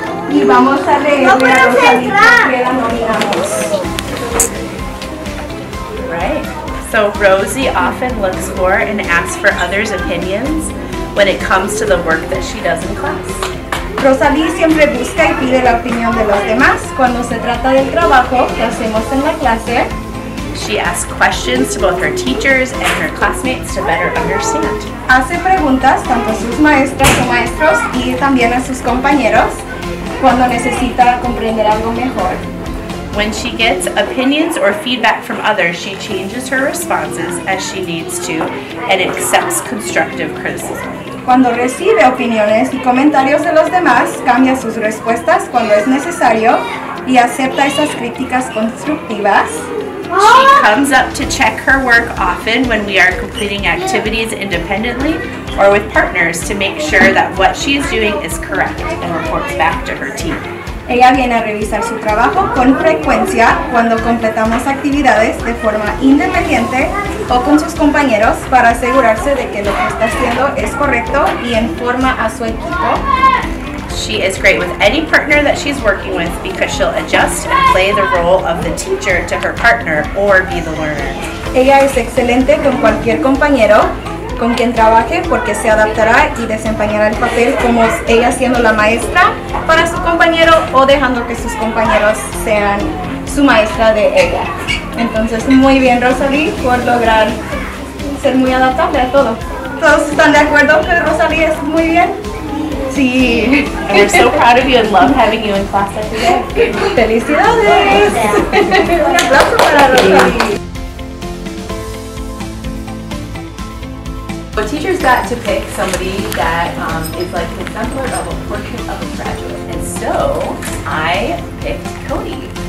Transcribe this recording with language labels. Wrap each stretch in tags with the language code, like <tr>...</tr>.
<es>Y vamos a leer a Rosalie que la nominamos.</es> <en>So Rosie often looks for and asks for others' opinions when it comes to the work that she does in class.</en> <es>Rosalie siempre busca y pide la opinión de los demás cuando se trata del trabajo que hacemos en la clase.</es> <en>She asks questions to both her teachers and her classmates to better understand.</en> <es>Hace preguntas tanto a sus maestras o maestros y también a sus compañeros cuando necesita comprender algo mejor.</es> <en>When she gets opinions or feedback from others, she changes her responses as she needs to and accepts constructive criticism.</en> <es>Cuando recibe opiniones y comentarios de los demás, cambia sus respuestas cuando es necesario y acepta esas críticas constructivas.</es> <en>She comes up to check her work often when we are completing activities independently or with partners to make sure that what she is doing is correct and reports back to her team.</en> <es>Ella viene a revisar su trabajo con frecuencia cuando completamos actividades de forma independiente o con sus compañeros para asegurarse de que lo que está haciendo es correcto y informa a su equipo.</es> <en>She is great with any partner that she's working with because she'll adjust and play the role of the teacher to her partner or be the learner.</en> <es>Ella es excelente con cualquier compañero con quien trabaje porque se adaptará y desempeñará el papel como ella siendo la maestra para su compañero o dejando que sus compañeros sean su maestra de ella. Entonces, muy bien, Rosalie, por lograr ser muy adaptable a todo. ¿Todos están de acuerdo que Rosalie es muy bien? Sí.</es> <en>We're so proud of you and love having you in class today.</en> <es>¡Felicidades! Un aplauso para Rosalie.</es> <en>So teachers got to pick somebody that is like an exemplar of a portrait of a graduate, and so I picked Cody.</en>